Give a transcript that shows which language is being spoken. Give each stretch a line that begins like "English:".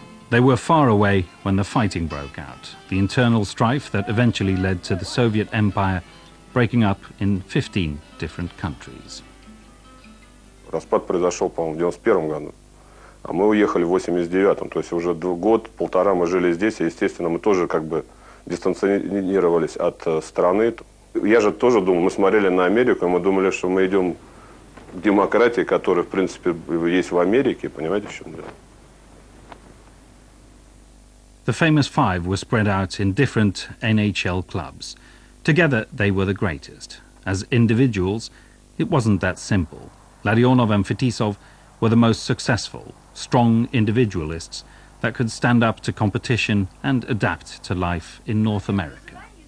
English: They were far away when the fighting broke out, the internal strife that eventually led to the Soviet Empire breaking up in 15 different countries.
Russian: Распад произошел, по-моему, в 91-м году, а мы уехали в 89-м, то есть уже год-полтора мы жили здесь, и, естественно, мы тоже как бы дистанционировались от страны. Я же тоже думал, мы смотрели на Америку, и мы думали, что мы идем к демократии, которая, в принципе, есть в Америке, понимаете, в чем дело?
English: The famous five were spread out in different NHL clubs. Together, they were the greatest. As individuals, it wasn't that simple. Larionov and Fetisov were the most successful, strong individualists that could stand up to competition and adapt to life in North America.